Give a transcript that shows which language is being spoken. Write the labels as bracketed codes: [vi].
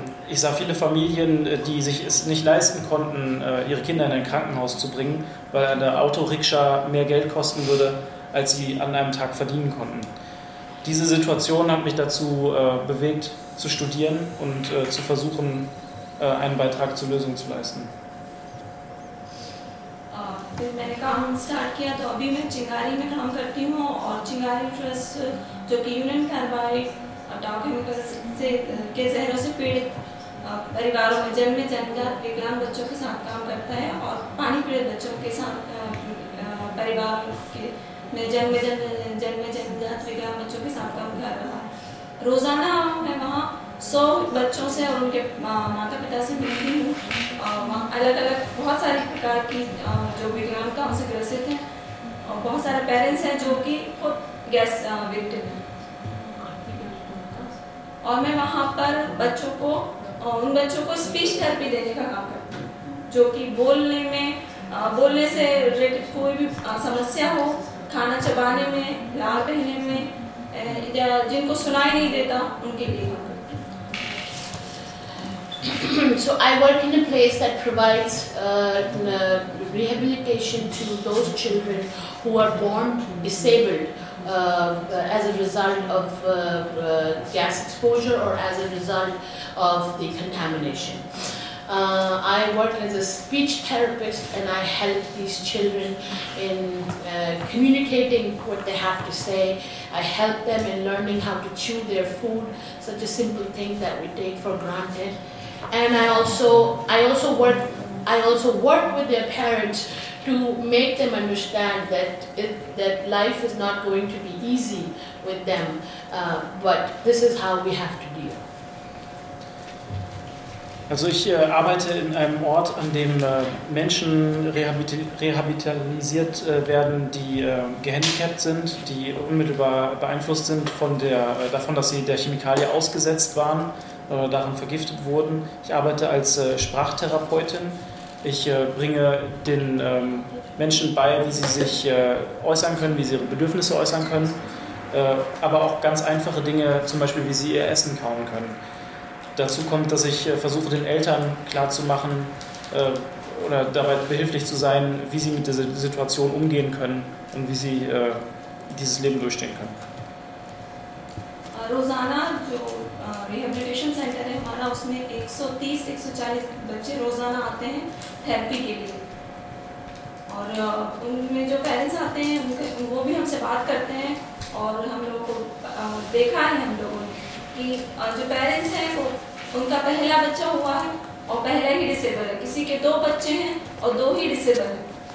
[de] Ich sah viele Familien, die sich es nicht leisten konnten, ihre Kinder in ein Krankenhaus zu bringen, weil eine Autorikscha mehr Geld kosten würde, als sie an einem Tag verdienen konnten. Diese Situation hat mich dazu bewegt, zu studieren und zu versuchen, einen Beitrag zur Lösung zu leisten. [hi] फिर मैंने काम start किया तो अभी मैं चिंगारी में काम करती हूँ और चिंगारी ट्रस्ट जो कि यूनियन कार्बाइड डाउ केमिकल से के जहरों से पीड़ित परिवारों में जन्म जनजात विकलांग बच्चों के साथ काम करता है और पानी पीड़ित बच्चों के साथ परिवार के में जन्म जनजात विकलांग बच्चों के साथ काम कर रहा है रोजाना मैं वहाँ 100 बच्चों से और उनके माता पिता से मिलती हूँ अलग अलग बहुत सारे प्रकार की जो विकलांगता उनसे ग्रसित हैं और बहुत सारे पेरेंट्स हैं जो कि खुद गैस विक्टिम हैं और मैं वहाँ पर बच्चों को उन बच्चों को स्पीच थेरेपी देने का काम करती हूँ जो कि बोलने में बोलने से रिलेटेड कोई भी समस्या हो खाना चबाने में लार पहनने में या जिनको सुनाई नहीं देता उनके लिए [en] So I work in a place that provides rehabilitation to those children who are born disabled as a result of gas exposure or as a result of the contamination. I work as a speech therapist and I help these children in communicating what they have to say. I help them in learning how to chew their food, such a simple thing that we take for granted. And I also work with their parents to make them understand that that life is not going to be easy with them, but this is how we have to deal. [de] Also ich arbeite in einem Ort, an dem Menschen rehabilitalisiert werden, die gehandicapt sind, die unmittelbar beeinflusst sind davon, dass sie der Chemikalie ausgesetzt waren. Daran vergiftet wurden. Ich arbeite als Sprachtherapeutin. Ich bringe den Menschen bei, wie sie sich äußern können, wie sie ihre Bedürfnisse äußern können, aber auch ganz einfache Dinge, zum Beispiel wie sie ihr Essen kauen können. Dazu kommt, dass ich versuche, den Eltern klarzumachen oder dabei behilflich zu sein, wie sie mit dieser Situation umgehen können und wie sie dieses Leben durchstehen können. [hi] रोजाना जो rehabilitation centre है हमारा उसमें 130-140 बच्चे रोजाना आते हैं therapy के लिए और उनमें जो पेरेंट्स आते हैं वो भी हमसे बात करते हैं और हम लोगों को देखा है हम लोगों ने कि जो पेरेंट्स हैं वो उनका पहला बच्चा हुआ है और पहला ही डिसेबल है किसी के दो बच्चे हैं और दो ही डिसेबल हैं